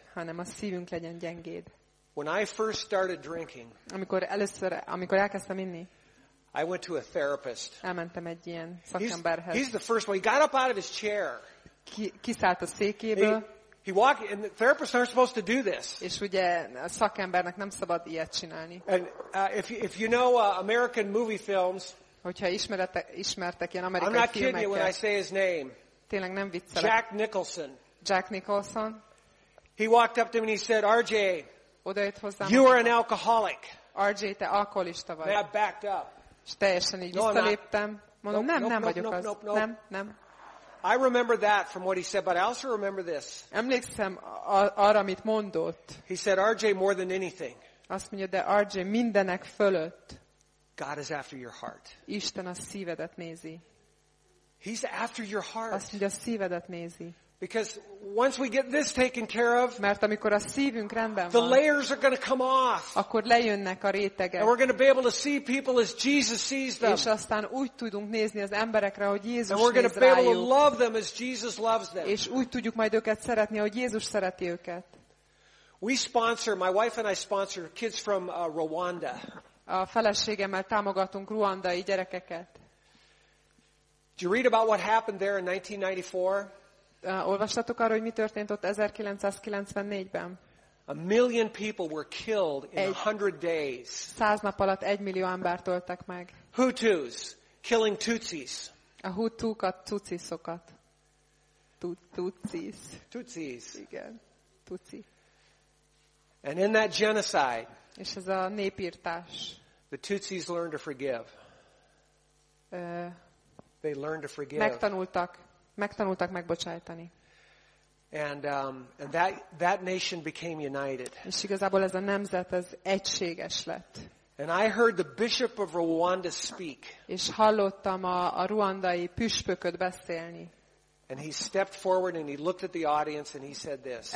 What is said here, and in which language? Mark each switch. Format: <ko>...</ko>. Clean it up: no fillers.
<hu>Hanem a szívünk legyen gyengéd.</hu> <en>When I first started drinking.</en> <hu>Amikor elkezdtem inni.</hu> <en>I went to a therapist.</en> <hu>Elmentem egy ilyen szakemberhez.</hu> <en>He's the first one. He got up out of his chair.</en> <hu>Kiszállt a székéből.</hu> <en>He walked, and the therapists aren't supposed to do this.</en> <hu>És ugye a szakembernek nem szabad ilyet csinálni.</hu> <en>And if you know American movie films,</en> <hu>hogyha ismertek ilyen amerikai filmeket,</hu> <en>I'm not kidding you when I say his name.</en> <hu>Tényleg nem viccelek. Jack Nicholson.</hu> <en>He walked up to me and he said, RJ,</en> <hu>odajött hozzám,</hu> <en>you are an alcoholic.</en> <hu>RJ, te alkoholista vagy.</hu> <en>And I backed up.</en> <hu>És teljesen így visszaléptem. Mondom, nem vagyok az.</hu> <en>I remember that from what he said, but I also remember this.</en> <hu>Emlékszem arra, amit mondott.</hu> <en>He said, RJ, more than anything.</en> <hu>Azt mondja, de RJ, mindenek fölött.</hu> <en>God is after your heart.</en> <hu>Isten a szívedet nézi.</hu> <en>He's after your heart.</en> <hu>Azt mondja, a szívedet nézi.</hu> <en>Because once we get this taken care of,</en> <hu>mert amikor a szívünk rendben van,</hu> <en>the layers are going to come off.</en> <hu>Akkor lejönnek a rétegek.</hu> <en>And we're going to be able to see people as Jesus sees them.</en> <hu>És aztán úgy tudunk nézni az emberekre, hogy Jézus néz rájuk.</hu> <en>And we're going to be able to love them as Jesus loves them.</en> <hu>És úgy tudjuk majd őket szeretni, ahogy Jézus szereti őket.</hu> <en>We sponsor, my wife and I sponsor kids from Rwanda.</en> <hu>A feleségemmel támogatunk ruandai gyerekeket.</hu> <en>Did you read about what happened there in 1994?</en> <hu>Olvastatok arról, hogy mi történt ott 1994-ben?</hu> <en>A million people were killed in 100 days.</en> <hu>100 nap alatt 1 millió embert öltek meg.</hu> <en>Hutus killing Tutsis.</en> <hu>A Hutukat, Tutsisokat. Tutsis. Igen. Tutsi.</hu> <en>And in that genocide.</en> <hu>És ez a népirtás.</hu> <en>The Tutsis learned to forgive. They learned to forgive.</en> <hu>Megtanultak megbocsájtani.</hu> <en>And that nation became united.</en> <hu>És igazából ez a nemzet ez egységes lett.</hu> <en>And I heard the bishop of Rwanda speak.</en> <hu>És hallottam a ruandai püspököt beszélni.</hu> <en>And he stepped forward and he looked at the audience and he said this.</en>